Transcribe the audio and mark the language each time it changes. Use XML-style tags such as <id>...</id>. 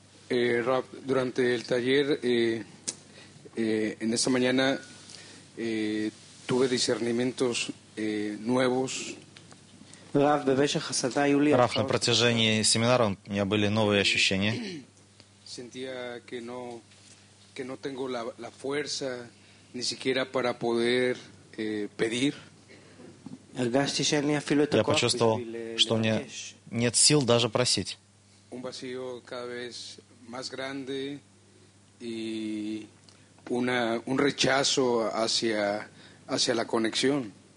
<es>Раб, durante el taller, en esta mañana tuve discernimientos nuevos.</es> <ru>Раф, на протяжении семинара у меня были новые ощущения.</ru> <es>Sentía que no tengo la fuerza ni siquiera para poder pedir.</es> <ru>Я почувствовал, что у меня нет сил даже просить.</ru> <es>Un vacío cada vez más grande y un rechazo hacia la conexión.</es>